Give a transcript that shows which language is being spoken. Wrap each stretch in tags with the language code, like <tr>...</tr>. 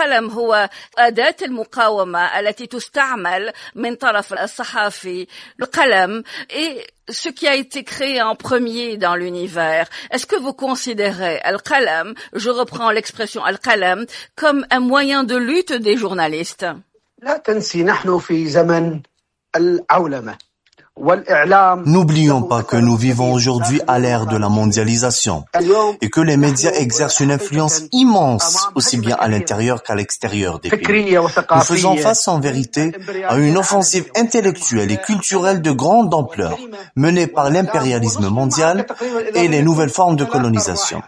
<ar>هو أداة المقاومة التي تستعمل من طرف الصحافي القلم</ar> <fr>et ce qui a été créé en premier dans l'univers. Est-ce que vous considérez al-qalam, je reprends l'expression al-qalam, comme un moyen de lutte des journalistes?</fr> <ar>لا تنسي نحن في زمن العولمة والإعلام.</ar> <fr>N'oublions pas que nous vivons aujourd'hui à l'ère de la mondialisation et que les médias exercent une influence immense aussi bien à l'intérieur qu'à l'extérieur des pays. Nous faisons face en vérité à une offensive intellectuelle et culturelle de grande ampleur menée par l'impérialisme mondial et les nouvelles formes de colonisation.</fr>